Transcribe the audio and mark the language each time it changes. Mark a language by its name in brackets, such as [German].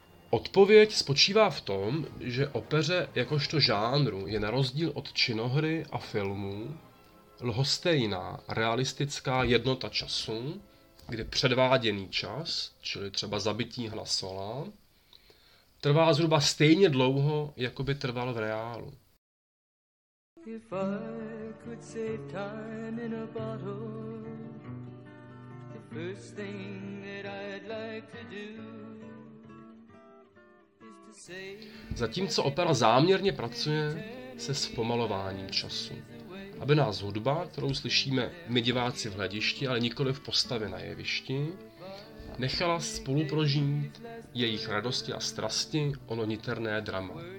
[Czech] Odpověď spočívá v tom, že opeře jakožto žánru je na rozdíl od činohry a filmu lhostejná realistická jednota času, kdy předváděný čas, čili třeba zabití Hanna Sola, trvá zhruba stejně dlouho, jako by trval v reálu. [English] If I could save time in a bottle, the first thing that I'd like to do. [Czech] Zatímco opera záměrně pracuje se zpomalováním času, aby nás hudba, kterou slyšíme my diváci v hledišti, ale nikoli v postavě na jevišti, nechala spoluprožít jejich radosti a strasti ono niterné drama.